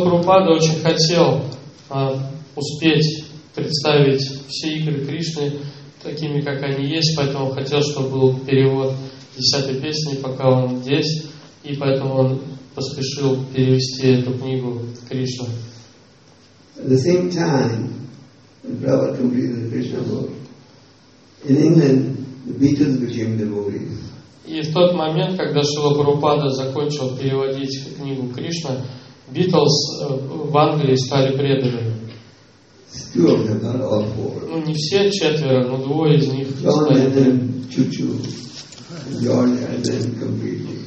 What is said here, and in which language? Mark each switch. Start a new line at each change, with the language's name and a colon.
Russian: Прабхупада очень хотел успеть представить все игры Кришны такими, как они есть, поэтому он хотел, чтобы был перевод 10-й песни, пока он здесь, и поэтому он поспешил перевести эту книгу Кришну.
English: At the same time, when Prabhupada completed the Krishna book, in England, the Beatles became the movies.
Russian: И в тот момент, когда Шрила Прабхупада закончил переводить книгу Кришна, Beatles в Англии стали преданными.
English: Two of them, not all four.
Russian: Ну, не все четверо, но двое из них стали преданными.